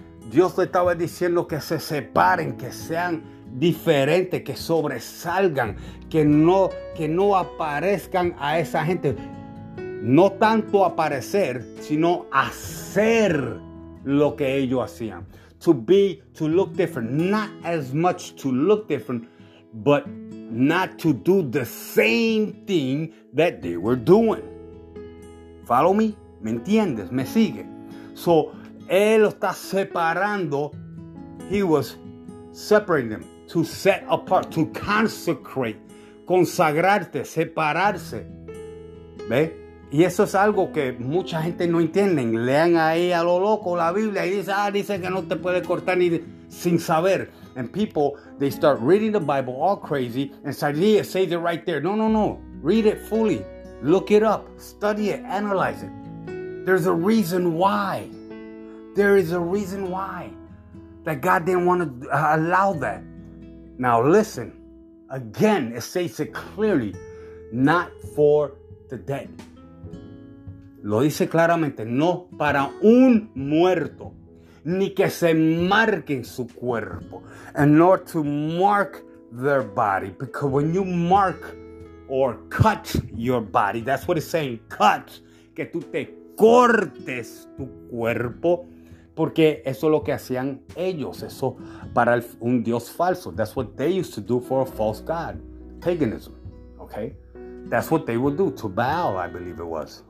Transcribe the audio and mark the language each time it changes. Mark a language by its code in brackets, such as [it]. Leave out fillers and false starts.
[es] Dios le estaba diciendo que se separen, que sean diferente, que sobresalgan, que no aparezcan a esa gente. No tanto aparecer, sino hacer lo que ellos hacían. [en] To look different. Not as much to look different, but not to do the same thing that they were doing. Follow me? [es] ¿Me entiendes? ¿Me sigue? So, él lo está separando. [en] He was separating them. To set apart, to consecrate, [es] consagrarte, separarse. ¿Ve? Y eso es algo que mucha gente no entiende. Lean ahí a lo loco la Biblia y dice, dice que no te puede cortar ni sin saber. [en] And people, they start reading the Bible all crazy and say, yeah, it says it right there. No, no, no. Read it fully. Look it up. Study it. Analyze it. There's a reason why. There is a reason why that God didn't want to allow that. Now listen, again, it says it clearly, not for the dead. [es] Lo dice claramente, no para un muerto, ni que se marquen su cuerpo, [en] and nor to mark their body. Because when you mark or cut your body, that's what it's saying, cut, [es] que tú te cortes tu cuerpo. Porque eso es lo que hacían ellos, eso para un Dios falso. [en] That's what they used to do for a false God. Paganism, okay? That's what they would do, to Baal, I believe it was.